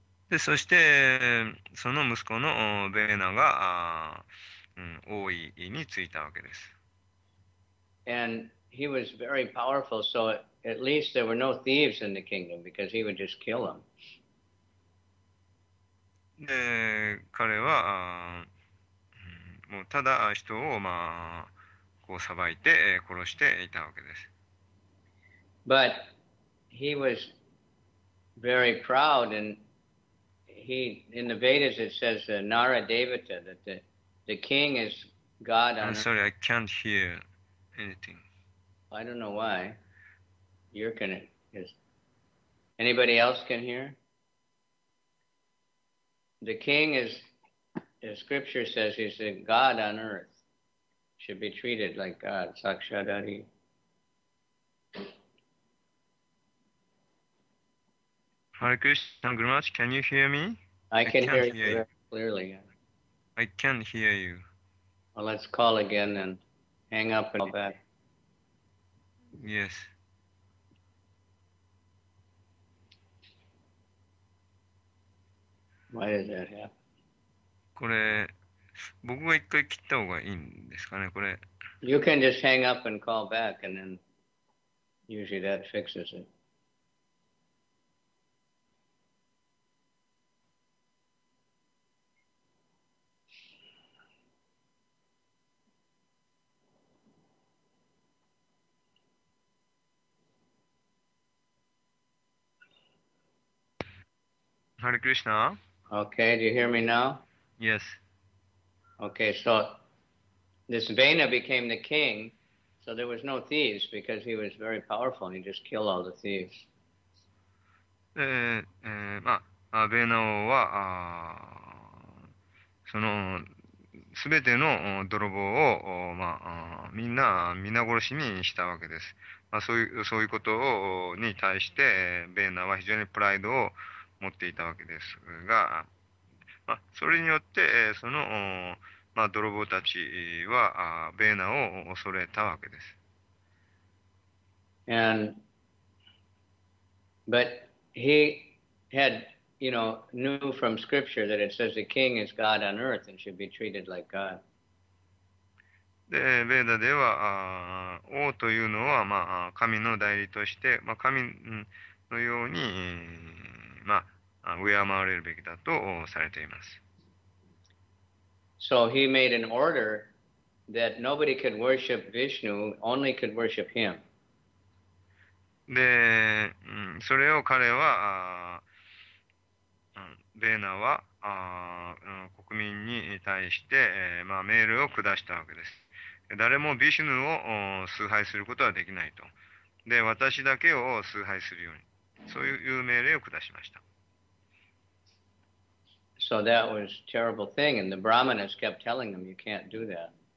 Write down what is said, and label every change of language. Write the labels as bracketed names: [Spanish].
[Japanese] で、そしてその息子のベーナが王位に就いたわけです。 [English] And he was very powerful, so at least there were no thieves in the kingdom because he would just kill them. で、彼はもうただ人をまあこう裁いて殺していたわけです。 But he was very proud, and he in the Vedas it says Nara Devata, that the king is God on earth. I'm sorry, I can't hear anything. I don't know why. You're gonna is anybody else can hear? The king is, as scripture says, he's a God on earth. Should be treated like God. Sakshadari. Hare Krishna Gurumaj, can you hear me? I can hear you clearly. I can't hear you. Well, let's call again and hang up and call back. Yes. Why did that happen? [Japanese] これ、僕が一回切った方がいいんですかね、これ。 [English] You can just hang up and call back, and then usually that fixes it. Hare Krishna. Okay, do you hear me now? Yes. Okay, so this Vena became the king, so there was no thieves because he was very powerful and he just killed all the thieves. [Japanese] Vena は、その、すべての泥棒を、まあ、みんな皆殺しにしたわけです。まあ、そういうことをに対して、Vena は非常にプライドを持っていたわけですが、まあ、それによってその、まあ、泥棒たちはベーナを恐れたわけです。 [English] And but he had, you know, knew from scripture that it says the king is God on earth and should be treated like God. [Japanese] で、ベーナでは王というのは、まあ、神の代理として、まあ、神のようにまあ、上回れるべきだとされています。 [English] So he made an order that nobody could worship Vishnu, only could worship him. [Japanese] で、それを彼は、ベーナは国民に対して、まあ、命令を下したわけです。誰もビシュヌを崇拝することはできないと。で、私だけを崇拝するように。そういう命令を下しました。 [English] So that was a terrible thing, and the Brahmanas kept telling them, you can't do that.